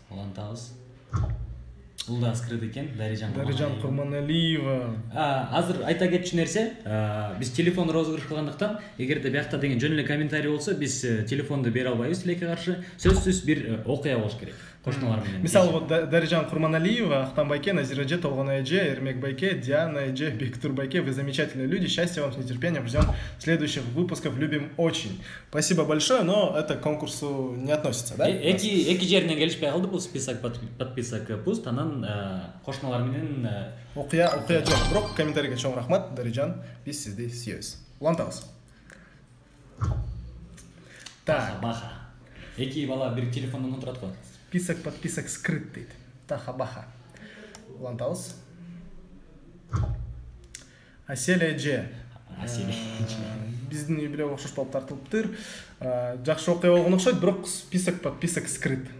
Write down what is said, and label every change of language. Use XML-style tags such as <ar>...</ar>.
<ky>Улантабыз. Бул да скрыт экен. Дарижан Курманалиева. Азыр айта кетчү нерсе, биз телефон розыгрыш кылгандыктан, эгерде биякта деген жөн эле комментарий болсо, биз телефонду бере албайбыз тилекке каршы. Сөзсүз бир окуя болуш керек. Кошуналар менен. Мисалы, вот Дарижан Курманалиева, Ахтан Байке, Назира Эже, Толгона Эже, Эрмек Байке, Диана Эже, Бектур Байке.</ky> <ru>Вы замечательные люди. Счастья вам, с нетерпением. Ждем следующих выпусков. Любим очень. Спасибо большое, но это к конкурсу не относится, да?</ru> <ky>Эки жерден келишпей калды бул</ky> <ru>список подписок пуст.</ru> <ky>Анан кошуналар менен окуя жок. Бирок комментарийге чоң рахмат, Дарижан. Биз сизди сүйөбүз. Улантабыз. Баха-баха. Эки бала бир телефондон отурат го.</ky> <ru>Писак подписок скрыт дейт.</ru> <ky>Таха-баха. Улантабыз. Асель Эже. Асель Эже. Биздин үй бүлөгө окшош болуп тартылыптыр. Жакшы окуя болгон окшойт, бирок</ky> <ru>список подписок скрыт.</ru>